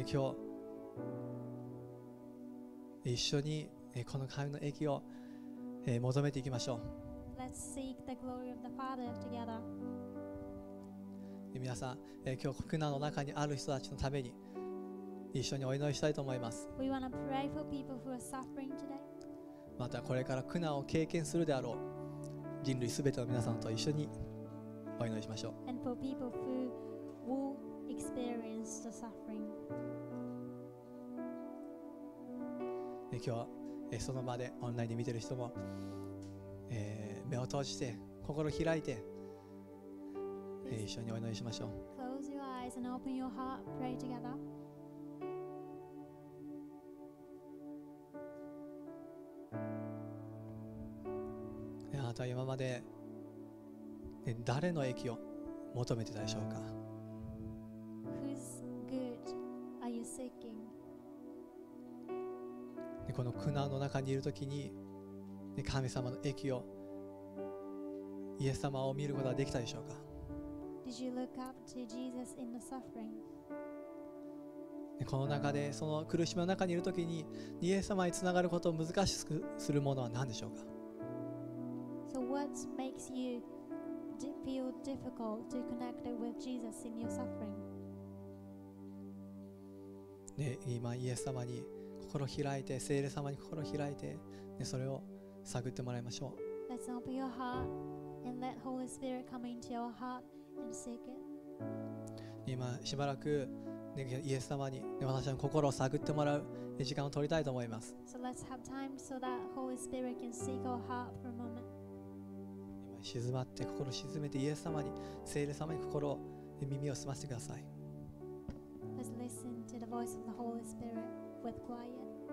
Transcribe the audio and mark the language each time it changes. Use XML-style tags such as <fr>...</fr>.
<ja>今日一緒にこの神の益を求めていきましょう。</ja> <en>Let's seek the glory of the Father together.</en> <ja>で皆さん今日苦難の中にある人たちのために一緒にお祈りしたいと思います。</ja> <en>We wanna pray for people who are suffering today.</en> <ja>またこれから苦難を経験するであろう人類すべての皆さんと一緒にお祈りしましょう。</ja> <en>And for people who will experience the suffering.</en> <ja>今日はその場でオンラインで見てる人も、目を閉じて心を開いて、一緒にお祈りしましょう。</ja> <en>Close your eyes and open your heart. Pray together.</en> <ja>今まで誰の益を求めてたでしょうか。</ja> <en>Who's good are you seeking?</en> <ja>この苦難の中にいるときに神様の益をイエス様を見ることができたでしょうか。</ja> <en>Did you look up to Jesus in the suffering?</en> <ja>この中でその苦しみの中にいるときにイエス様につながることを難しくするものは何でしょうか。</ja> <en>So what makes you feel difficult to connect with Jesus in your suffering?</en> <ja>ね、今イエス様に心を開いて、聖霊様に心を開いて、ね、それを探ってもらいましょう。</ja> <en>Let's open your heart and let Holy Spirit come into your heart and seek it.</en> <ja>今しばらく、ね、イエス様に、ね、私の心を探ってもらう時間を取りたいと思います。</ja> <en>So let's have time so that Holy Spirit can seek our heart for a moment.</en> <ja>今静まって心を静めてイエス様に、聖霊様に心を、耳を澄ませてください。</ja> <en>Let's listen to the voice of the Holy Spirit with quiet.</en>